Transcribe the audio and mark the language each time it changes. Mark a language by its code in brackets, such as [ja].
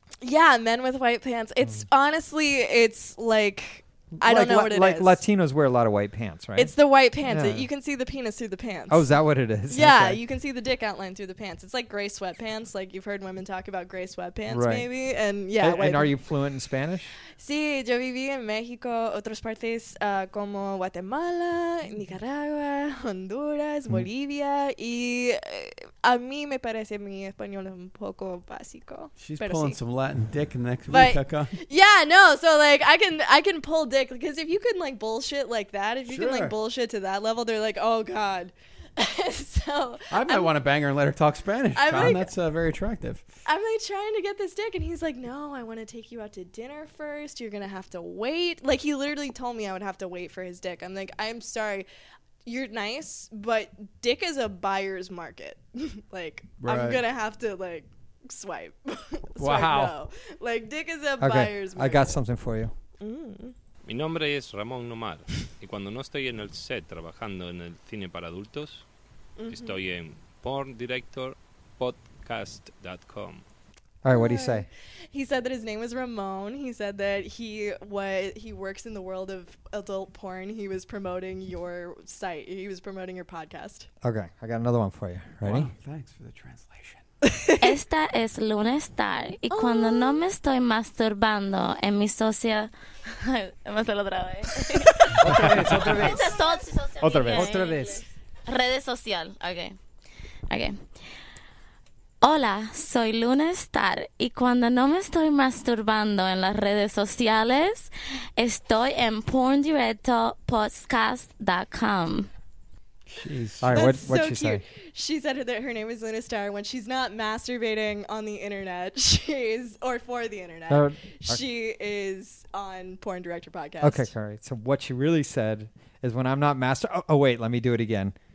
[en] Yeah, men with white pants. It's honestly, it's like I don't know what it is. Like Latinos wear a lot of white pants, right? It's the white pants. Yeah. You can see the penis through the pants. Oh, is that what it is? Yeah, okay. You can see the dick outline through the pants. It's like gray sweatpants. Like you've heard women talk about gray sweatpants, right. Maybe. And yeah. And are you fluent in Spanish? [es] Sí, yo viví en México, otras partes como Guatemala, Nicaragua, Honduras, Bolivia. Y a mí me parece mi español es un poco básico. [en] She's pulling [es] sí. [en] Some Latin dick in the next week, Kaka. Yeah, no. So like I can pull dick because if you can like bullshit like that, if you sure. Can like bullshit to that level, they're like, oh God. So I might want to bang her and let her talk Spanish. That's very attractive. I'm like trying to get this dick, and he's like, no, I want to take you out to dinner first. You're gonna have to wait. Like, he literally told me I would have to wait for his dick. I'm like, I'm sorry, you're nice, but dick is a buyer's market. Like, right. I'm gonna have to like swipe. Wow. No. Like, dick is a buyer's market. I got something for you. [es] Mi nombre es Ramón Nomar, y cuando no estoy en el set trabajando en el cine para adultos, estoy en porndirectorpodcast.com. [en] All right, what did he say? He said that his name was Ramon. He said that he works in the world of adult porn. He was promoting your site. He was promoting your podcast. Okay, I got another one for you. Ready? Wow, thanks for the translation. [es] Esta es Luna Star, y cuando no me estoy masturbando en mi socia... Vamos a hacerlo otra vez. Otra vez. Redes social. Okay. Hola, soy Luna Star, y cuando no me estoy masturbando en las redes sociales, estoy en porndirectopodcast.com. [en] She said that her name is Luna Star. When she's not masturbating on the internet, she is on Porn Director Podcast. Okay, all right. So what she really said is, when I'm not masturbating... Oh, wait, let me do it again.